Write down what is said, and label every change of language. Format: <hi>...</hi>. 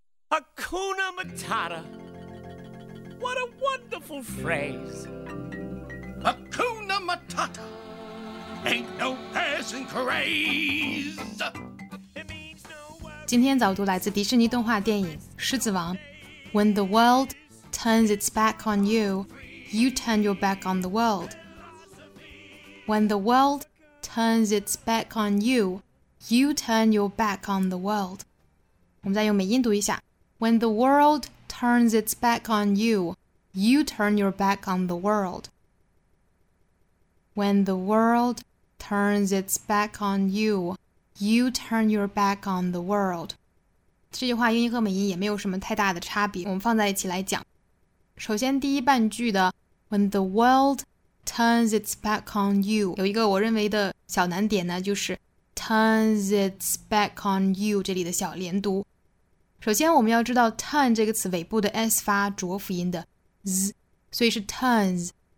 <en>Hakuna Matata. What a wonderful phrase. Hakuna Matata. Ain't no passing craze. It means no worries.</en> <zh>今天早读来自迪士尼动画电影《狮子王》。</zh> <en>When the world turns its back on you, you turn your back on the world. When the world turns its back on you, you turn your back on the world.</en> <zh>我们再用美音读一下。</zh> <en>When the world turns its back on you, you turn your back on the world. When the world turns its back on you, you turn your back on the world.</en> <zh>这句话英音和美音也没有什么太大的差别，我们放在一起来讲。首先第一半句的</zh> <en>When the worldturns its back on you</en> <zh>有一个我认为的小难点呢就是</zh> <en>turns its back on you</en> <zh>这里的小连读首先我们要知道 turn 这个词尾部的 s 发浊辅音的 z 所以是 turns</zh>